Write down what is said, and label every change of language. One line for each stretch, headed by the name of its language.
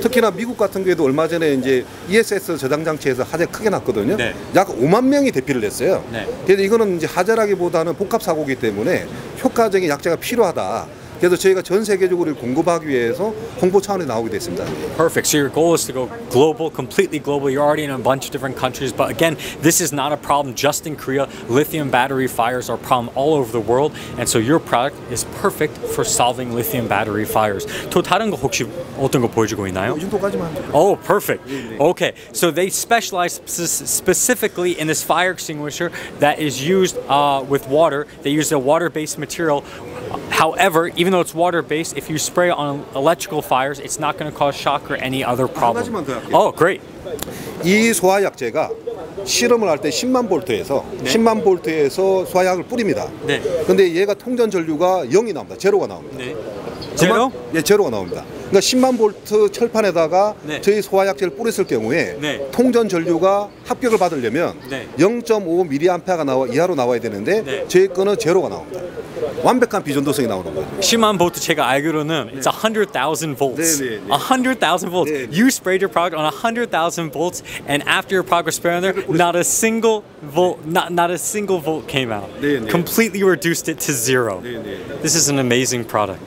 Korean: 특히나 미국 같은 경우에도 얼마 전에 이제 ESS 저장 장치에서 화재 크게 났거든요. 네. 약 5만 명이 대피를 했어요. 네. 그래서 이거는 이제 화재라기보다는 복합 사고이기 때문에 효과적인 약제가 필요하다. 그래서 저희가 전 세계적으로 공급하기 위해서 홍보 차원에 나오게 됐습니다.
English: Perfect. So your goal is to go global, completely global. You're already in a bunch of different countries. But again, this is not a problem just in Korea. Lithium battery fires are a problem all over the world. And so your product is perfect for solving lithium battery fires.
Korean: 또 다른 거 혹시 어떤 거 보여주고 있나요? 이 정도까지만 하면 될까요?
English: Oh, perfect. Okay. So they specialize specifically in this fire extinguisher that is used with water. They use a water-based material. However, even though it's water-based, if you spray on electrical fires, it's not going to cause shock or any other problem.
Korean: 한 가지만 더 할게요.
English: Oh, great.
Korean: 이 소화약제가 실험을 할 때 10만 볼트에서 네. 10만 볼트에서 소화약을 뿌립니다. 네. 근데 얘가 통전 전류가 0이 나옵니다. 제로가 나옵니다. 네. 제로? 예, 제로가 나옵니다. 그러니까 10만 볼트 철판에다가 네. 저희 소화약제를 뿌렸을 경우에 네. 통전 전류가 합격을 받으려면 네. 0.5mA가 이하로 나와야 되는데 네. 저희 거는 제로가 나옵니다. 완벽한 비전도성이 나오는 거예요. 10만 볼트 제가 알기로는 네.
English: it's 100,000 volts.
Korean: 네, 네, 네.
English: 100,000 volts. 네, 네. You sprayed your product on 100,000 volts and after your product was sprayed on there, not a single volt, 네. not a single volt came out.
Korean: 네, 네.
English: Completely reduced it to zero.
Korean: 네, 네.
English: This is an amazing product.